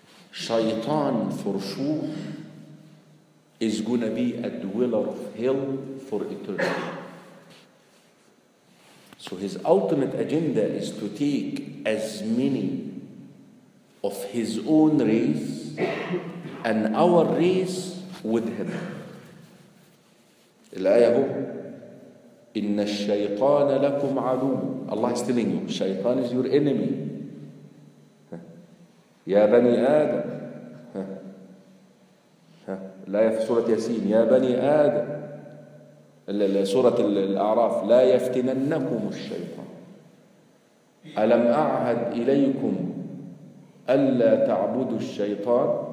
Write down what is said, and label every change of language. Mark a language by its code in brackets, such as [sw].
[en] Shaitan for sure is going to be a dweller of hell for eternity. So his ultimate agenda is to take as many of his own race and our race with him. [ar] الآية هو إن الشيطان لكم عدو. [en] Allah is telling you, Shaitan is your enemy. [ar] يا بني آدم, لا في سورة ياسين, يا بني آدم, سورة الأعراف, لا يفتننكم الشيطان ألم أعهد إليكم ألا تعبدوا الشيطان.